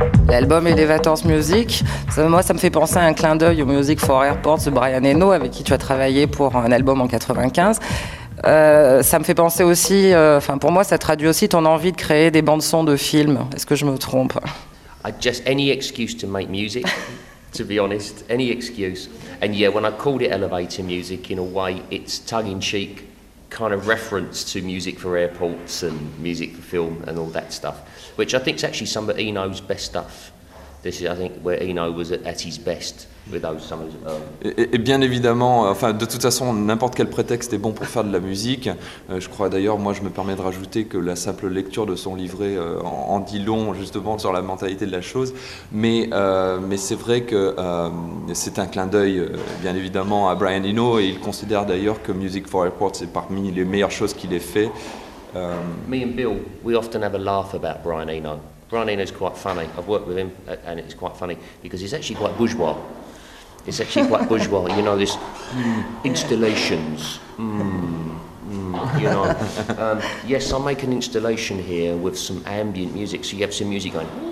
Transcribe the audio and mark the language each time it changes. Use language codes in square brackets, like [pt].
[fr] Elevators Music, ça me fait penser à un clin d'œil au Music for Airports de Brian Eno, avec qui tu as travaillé pour un album en 95. Ça me fait penser aussi, pour moi, ça traduit aussi ton envie de créer des bandes-son de films. Est-ce que je me trompe? [en] Just any excuse to make music, to be honest, any excuse. And yeah, when I called it Elevator Music, in a way, it's tongue-in-cheek, kind of reference to Music for Airports and Music for Film and all that stuff, which I think is actually some of Eno's best stuff. This is, I think, where Eno was at his best with those songs. [fr] Et bien évidemment, de toute façon, n'importe quel prétexte est bon pour faire de la musique. Je crois d'ailleurs, moi, je me permets de rajouter que la simple lecture de son livret en dit long, justement, sur la mentalité de la chose. Mais c'est vrai que c'est un clin d'œil, bien évidemment, à Brian Eno, et il considère d'ailleurs que Music for Airports est parmi les meilleures choses qu'il ait fait. [en] Me and Bill, we often have a laugh about Brian Eno. Brian Eno is quite funny. I've worked with him, and it's quite funny because he's actually quite bourgeois. It's actually quite bourgeois. You know, this installations. You know, yes, I make an installation here with some ambient music, so you have some music going.